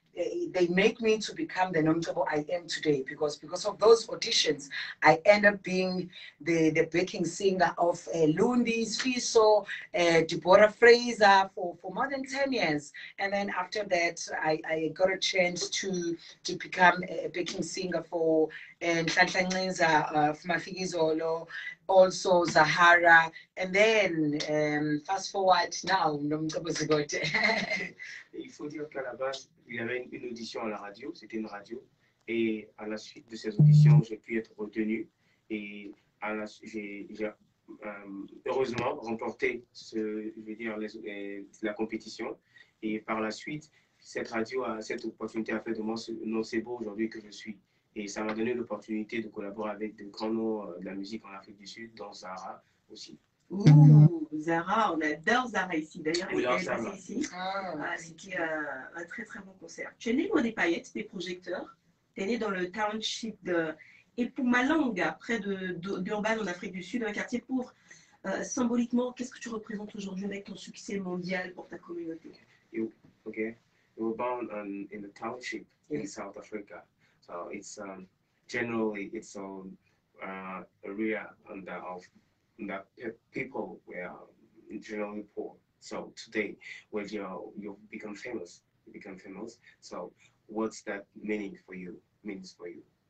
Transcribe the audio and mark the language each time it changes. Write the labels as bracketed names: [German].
[English] they make me to become the notable I am today, because of those auditions, I end up being the backing singer of Lundi, Sfiso, Deborah Fraser for more than 10 years. And then after that, I got a chance to become a backing singer for Nhlanhla Nciza, Mafikizolo, also Zahara. And then fast forward now, Nomcebo Zikode. [French] Il faut dire qu'à la base, il y avait une audition à la radio, c'était une radio, et à la suite de ces auditions, j'ai pu être retenu, et à la, j'ai heureusement remporté la compétition, et par la suite, cette radio, cette opportunité a fait de moi ce Nocebo aujourd'hui que je suis, et ça m'a donné l'opportunité de collaborer avec de grands noms de la musique en Afrique du Sud, dont Zahara aussi. Ouh, Zahara, on adore Zahara ici. D'ailleurs, elle est passée ici. Ah, c'était un très très bon concert. Tu es né loin des paillettes, des projecteurs. Tu es né dans le township de Epumalanga, près d'Urban en Afrique du Sud, un quartier pauvre. Symboliquement, qu'est-ce que tu représentes aujourd'hui avec ton succès mondial pour ta communauté? [English] You, okay. You were born in the township in South Africa. So it's generally it's area under of that people were generally poor. So today, when you become famous, so what's that meaning for you, means for you?